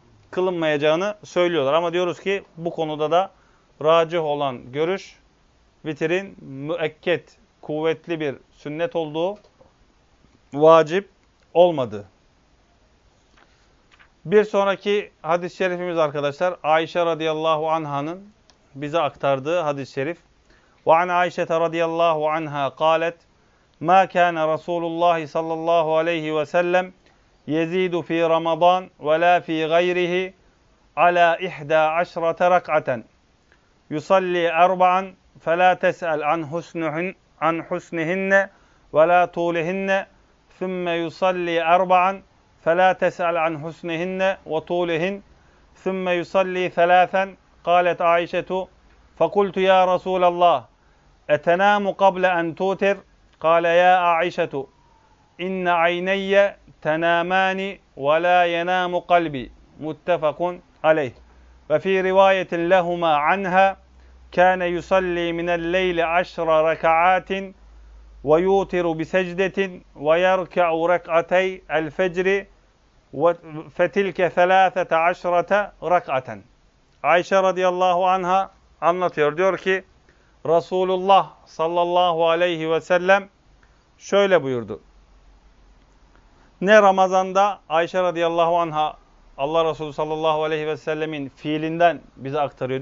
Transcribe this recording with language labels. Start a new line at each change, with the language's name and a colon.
Turkish: Kılınmayacağını söylüyorlar. Ama diyoruz ki bu konuda da racih olan görüş vitirin müekket, kuvvetli bir sünnet olduğu, vacip olmadığı. Bir sonraki hadis-i şerifimiz arkadaşlar Ayşe radıyallahu anha'nın bize aktardığı hadis-i şerif.
Arabic: وعن عائشة رضي الله عنها قالت ما كان رسول الله صلى الله عليه وسلم يزيد في رمضان ولا في غيره على 11 ركعة يصلي أربعا فلا تسأل عن حسنهن ولا طولهن ثم يصلي أربعا فلا تسأل عن حسنهن وطولهن ثم يصلي ثلاثا قالت عائشة فقلت يا رسول الله أتنام قبل أن توتر؟ قال يا عائشة إن عيني تنامان ولا ينام قلبي متفق عليه وفي رواية لهما عنها كان يصلي من الليل 10 ركعات ويوتر بسجدة ويركع ركعتي الفجر فتلك 13 ركعة. عائشة رضي الله عنها
Turkish: anlatıyor, diyor ki Resulullah sallallahu aleyhi ve sellem şöyle buyurdu. Ne Ramazan'da Ayşe radıyallahu anha Allah Resulü sallallahu aleyhi ve sellemin fiilinden bize aktarıyor.